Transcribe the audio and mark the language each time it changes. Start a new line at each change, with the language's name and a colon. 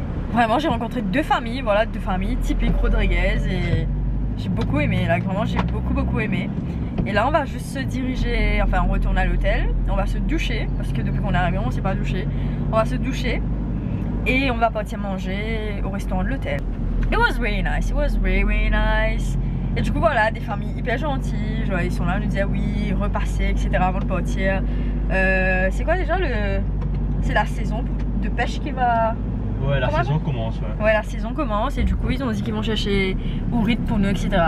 French: Vraiment, j'ai rencontré deux familles, voilà, deux familles typiques Rodriguez et j'ai beaucoup aimé. Là, vraiment, j'ai beaucoup, beaucoup aimé. Et là, on va juste se diriger, enfin, on retourne à l'hôtel, on va se doucher parce que depuis qu'on est arrivé, on s'est pas douché. On va se doucher. Et on va partir manger au restaurant de l'hôtel.
English: It was really nice, it was really, really nice.
French: Et du coup voilà, des familles hyper gentilles. Genre, ils sont là, ils nous disent oui, repasser, etc. avant de partir. C'est quoi déjà le... C'est la saison de pêche qui va... Ouais, la saison commence. Ouais. Ouais, la saison commence et du coup ils ont dit qu'ils vont chercher ourite pour nous, etc.